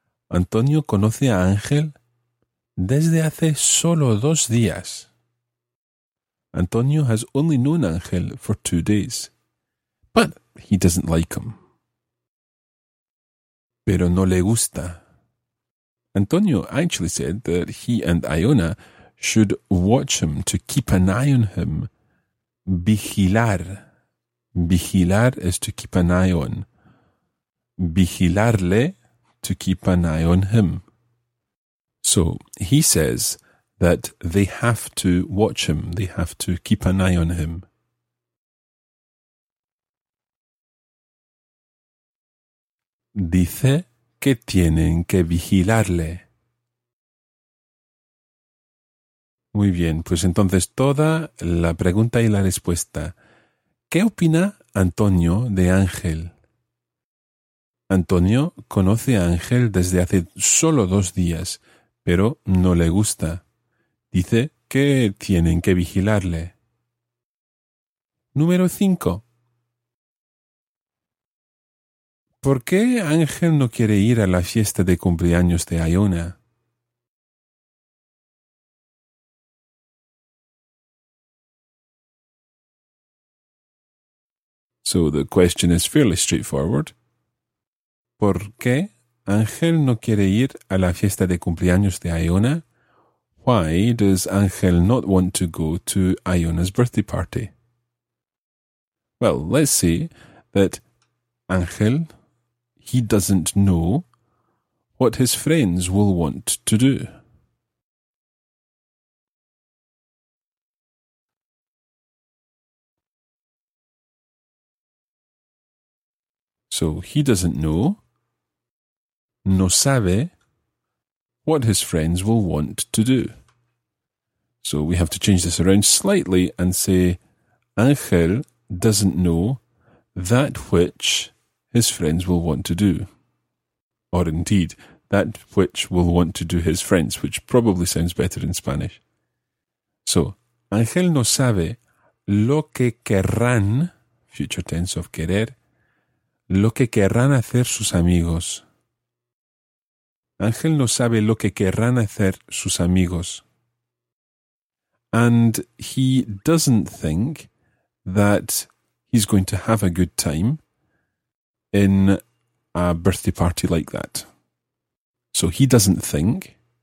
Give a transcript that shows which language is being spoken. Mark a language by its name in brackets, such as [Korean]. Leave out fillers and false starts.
[Spanish] Antonio conoce a Ángel desde hace solo 2 días. [English] Antonio has only known Ángel for 2 days. But he doesn't like him. [Spanish] Pero no le gusta. [English] Antonio actually said that he and Iona should watch him, to keep an eye on him. Vigilar. Vigilar is to keep an eye on. Vigilarle, to keep an eye on him. So he says that they have to watch him, they have to keep an eye on him. [Spanish] dice que tienen que vigilarle. Muy bien, pues entonces toda la pregunta y la respuesta. ¿Qué opina Antonio de Ángel? Antonio conoce a Ángel desde hace solo 2 días, pero no le gusta. Dice que tienen que vigilarle. Número 5. ¿Por qué Ángel no quiere ir a la fiesta de cumpleaños de Iona? [English] So the question is fairly straightforward. [Spanish] ¿Por qué Ángel no quiere ir a la fiesta de cumpleaños de Iona? [English] Why does Ángel not want to go to Iona's birthday party? Well, let's see that Ángel, he doesn't know what his friends will want to do. So he doesn't know, [Spanish] no sabe, [English] what his friends will want to do. So we have to change this around slightly and say, Ángel doesn't know that which his friends will want to do. Or indeed, that which will want to do his friends, which probably sounds better in Spanish. [Spanish] So, Ángel no sabe lo que querrán, [English] future tense of querer, [Spanish] lo que querrán hacer sus amigos. Ángel no sabe lo que querrán hacer sus amigos. [English] And he doesn't think that he's going to have a good time in a birthday party like that. So he doesn't think.